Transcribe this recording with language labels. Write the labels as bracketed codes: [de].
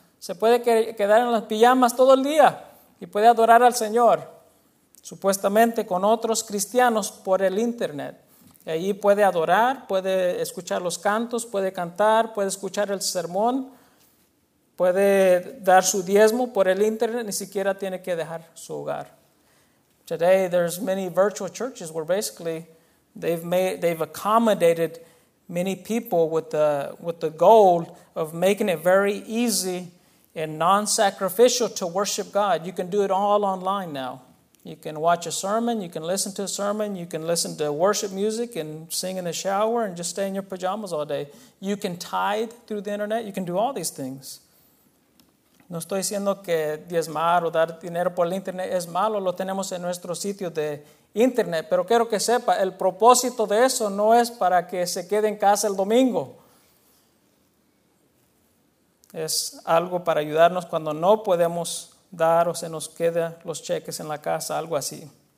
[es] Se puede quedar en las pijamas todo el día y puede adorar al Señor, supuestamente con otros cristianos por el internet. Allí puede adorar, puede escuchar los cantos, puede cantar, puede escuchar el sermón, puede dar su diezmo por el internet, ni siquiera tiene que dejar su hogar. [en] Today there's many virtual churches where basically they've accommodated many people with the goal of making it very easy and non-sacrificial to worship God. You can do it all online now. You can watch a sermon, you can listen to a sermon, you can listen to worship music and sing in the shower and just stay in your pajamas all day. You can tithe through the internet, you can do all these things. [es] No estoy diciendo que diezmar o dar dinero por el internet es malo, lo tenemos en nuestro sitio de internet, pero quiero que sepa, el propósito de eso no es para que se quede en casa el domingo. Es algo para ayudarnos cuando no podemos dar o se nos quedan los cheques en la casa, algo así.